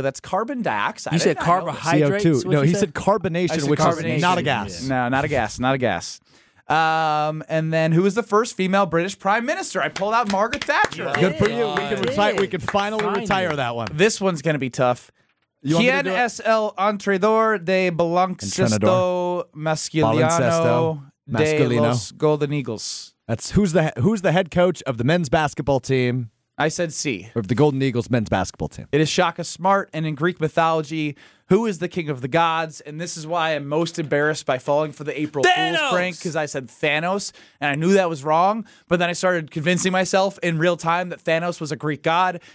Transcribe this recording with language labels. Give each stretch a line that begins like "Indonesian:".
English: That's carbon dioxide. You said carbohydrates. CO2. No, he said carbonation, which is not a gas. Yeah. No, not a gas. And then who was the first female British Prime Minister? I pulled out Margaret Thatcher. Yeah. Good for you. We can finally retire that one. This one's going to be tough.
Spanish: Quién es el entrenador de baloncesto masculino de los Golden Eagles?
English: That's who's the head coach of the men's basketball team? I said C. Of the Golden Eagles men's basketball team. It is Shaka Smart, and in Greek mythology, who is the king of the gods? And this is why I'm most embarrassed by falling for the April Fool's prank, because I said Thanos, and I knew that was wrong, but then I started convincing myself in real time that Thanos was a Greek god.